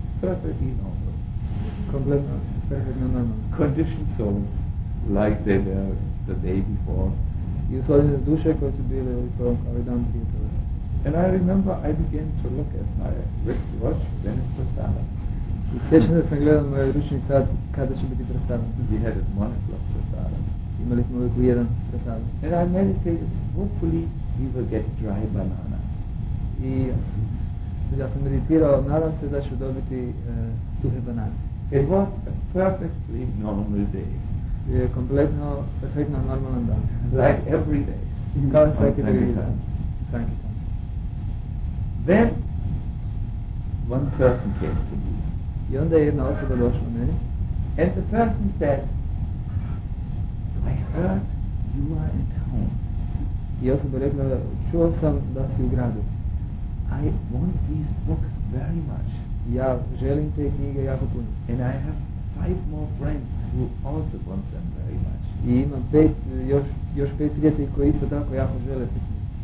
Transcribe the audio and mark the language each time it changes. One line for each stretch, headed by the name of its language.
English: Perfectly normal.
Bosnian: Kompletno, perfectno normal.
English: Conditioned souls like they were the day before.
Bosnian: I uslovene duše koje su bile u tom kao i dan prije toga.
English: And I remember I began to look at my wristwatch when it was done.
Bosnian: I sjećam da sam gledao moj ručni sat kada će biti prasada.
English: We had it 1 o'clock prasada.
Bosnian: Imali smo uvijek u jedan prasada.
English: And I meditated, hopefully we will get dry bananas.
Bosnian: I ja sam meditirao, nadam se da ću dobiti suhe banane.
English: It was a perfectly normal day.
Bosnian: Je kompletno perfektno normalan dan.
English: Like every day.
Bosnian: Kao svaki drugi dan. Svaki dan.
English: Then one person came to me.
Bosnian: I onda je jedna osoba došla meni.
English: And the person said, I heard you are in town.
Bosnian: I osoba rekla, čuo sam da si u gradu.
English: I want these books very much.
Bosnian: Ja želim te knjige jako puno.
English: And I have five more friends who also want them very much.
Bosnian: i imam pet, još pet prijatelji koji isto tako jako žele te knjige.